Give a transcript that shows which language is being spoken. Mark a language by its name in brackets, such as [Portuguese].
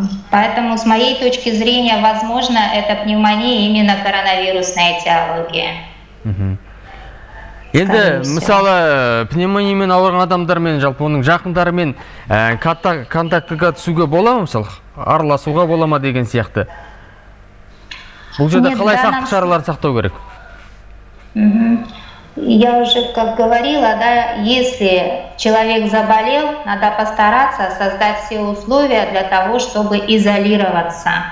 [Russian] Поэтому, с моей точки зрения, возможно, это пневмония именно коронавирусной этиологии. [Kazakh] Енді, мысалы, пневмониямен ауырған адамдармен, жалпы оның жақындарымен контактыға түсуге бола ма, мысалы, араласуға бола ма деген сияқты? Бұл жерде қалай сақтық шараларын сақтау керек? [Russian] Я уже как говорила, да, если человек заболел, надо постараться создать все условия для того, чтобы изолироваться.